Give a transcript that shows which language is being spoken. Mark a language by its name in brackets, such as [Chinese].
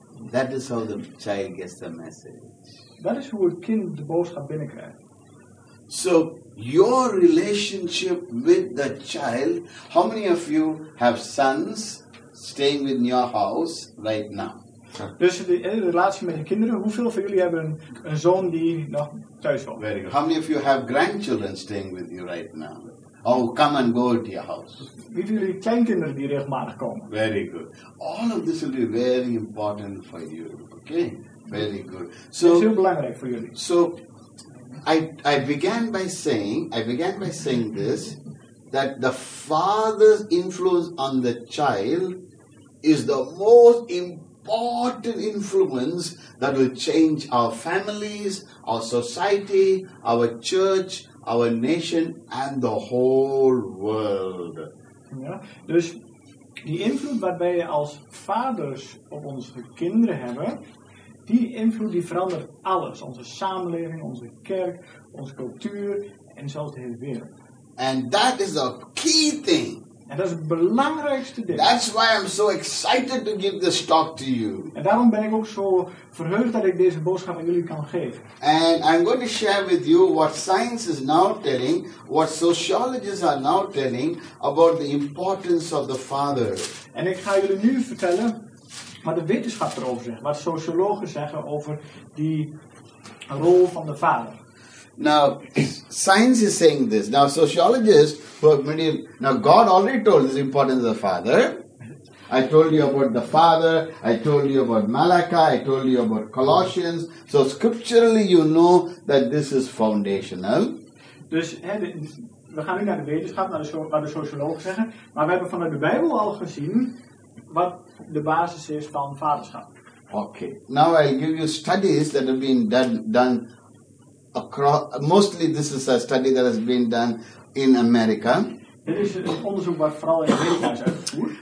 [English] That is how the child gets the message. [Dutch] Dat is hoe het kind de boodschap binnenkrijgt. [English] So, your relationship with the child, how many of you have sons staying in your house right now? [Dutch] Dus de relatie met je kinderen, hoeveel van jullie hebben een zoon die nog thuis woont? [English] Very good. How many of you have grandchildren staying with you right now? Oh, come and go to your house. [Dutch] Wie van jullie kleinkinderen die regelmatig komen? [English] Very good. All of this will be very important for you. Okay? Very good. So, [Dutch] is heel belangrijk voor jullie. [English] So, I began by saying this, that the father's influence on the child is the most important influence that will change our families, our society, our church, our nation, and the whole world. [Dutch] Ja, dus die invloed waarbij je als vaders op onze kinderen hebben. Die invloed die verandert alles. Onze samenleving, onze kerk, onze cultuur en zelfs de hele wereld. [English] And that is a key thing. [Dutch] En dat is het belangrijkste ding. [English] That's why I'm so excited to give this talk to you. [Dutch] En daarom ben ik ook zo verheugd dat ik deze boodschap aan jullie kan geven. [English] And I'm going to share with you what science is now telling, what sociologists are now telling about the importance of the father. [Dutch] En ik ga jullie nu vertellen wat de wetenschap erover zegt, wat sociologen zeggen over die rol van de vader. [English] Now, science is saying this. Now, sociologists who have many. Now, God already told the importance of the Father. I told you about the Father. I told you about Malachi. I told you about Colossians. So, scripturally, you know that this is foundational. [Dutch] Dus, we gaan nu naar de wetenschap, naar wat de sociologen zeggen. Maar we hebben vanuit de Bijbel al gezien wat de basis is van vaderschap. [English] Okay. Now, I'll give you studies that have been done. Across, mostly this is a study that has been done in America. [Dutch] Dit is een onderzoek wat vooral in Amerika is uitgevoerd.